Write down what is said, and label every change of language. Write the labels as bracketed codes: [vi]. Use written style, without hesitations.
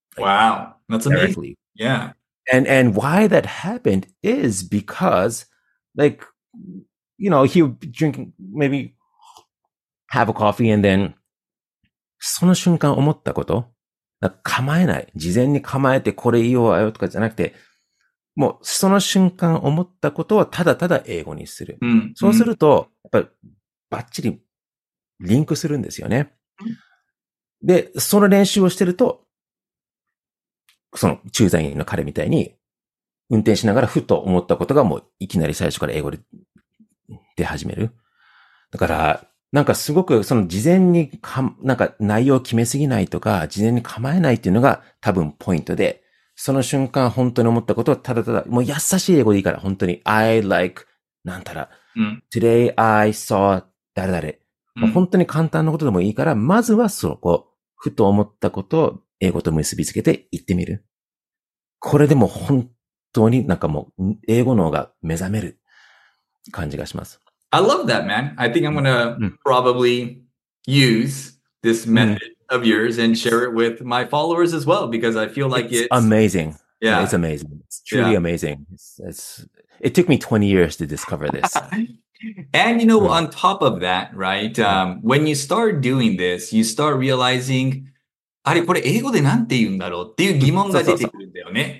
[en] Like, wow. That's amazing. Directly. Yeah. And why that happened is because like, you know, he would be drinking maybe,Have a coffee and then, [ja] その瞬間思ったこと、構えない。事前に構えてこれ言おうよとかじゃなくて、もうその瞬間思ったことをただただ英語にする。うん、そうすると、やっぱバッチリリンクするんですよね。で、その練習をしてると、その駐在員の彼みたいに、運転しながらふと思ったことがもういきなり最初から英語で出始める。だから、なんかすごくその事前にか、なんか内容を決めすぎないとか、事前に構えないっていうのが多分ポイントで、その瞬間本当に思ったことをただただ、もう優しい英語でいいから、本当に、 [en] I like, [ja] なんたら、 [en] Today I saw [ja] 誰々、本当に簡単なことでもいいから、まずはそこ、ふと思ったことを英語と結びつけて言ってみる。これでも本当になんかもう英語の方が目覚める感じがします。 [en] I love that, man. I think I'm going to probably use this method of yours and share it with my followers as well, because I feel like it's amazing. Yeah. It's amazing. It's truly amazing. It took me 20 years to discover this. And, you know, on top of that, right, when you start doing this, you start realizing, [ja] あれ、これ英語でなんて言うんだろうっていう疑問が出てくるんだよね。